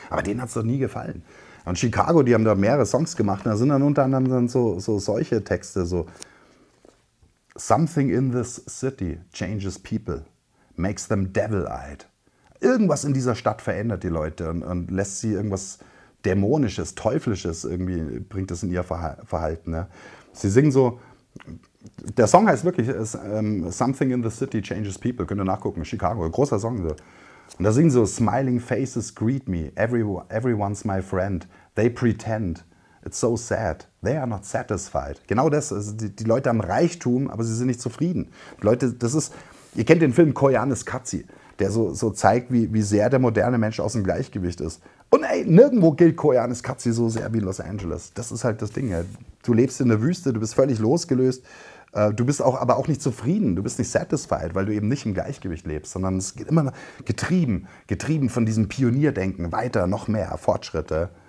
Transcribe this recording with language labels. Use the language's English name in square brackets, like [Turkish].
[German] Aber denen hat es doch nie gefallen. Und Chicago, die haben da mehrere Songs gemacht und da sind dann unter anderem dann so solche Texte, so [English] Something in this city changes people, makes them devil-eyed. [German] Irgendwas in dieser Stadt verändert die Leute und lässt sie irgendwas Dämonisches, Teuflisches irgendwie bringt es in ihr Verhalten. Ne? Sie singen so, der Song heißt wirklich Something in the City Changes People, könnt ihr nachgucken, Chicago, ein großer Song. So. Und da singen sie so, [English] Smiling faces greet me, everyone's my friend, they pretend, it's so sad, they are not satisfied. [German] Genau das, also die Leute haben Reichtum, aber sie sind nicht zufrieden. Die Leute, das ist, ihr kennt den Film Koyaanisqatsi, der so zeigt, wie sehr der moderne Mensch aus dem Gleichgewicht ist. Und ey, nirgendwo gilt Koyaanis Katsi so sehr wie in Los Angeles. Das ist halt das Ding. Ey. Du lebst in der Wüste, du bist völlig losgelöst. Du bist auch, aber auch nicht zufrieden, du bist nicht satisfied, weil du eben nicht im Gleichgewicht lebst, sondern es geht immer getrieben von diesem Pionierdenken, weiter, noch mehr, Fortschritte.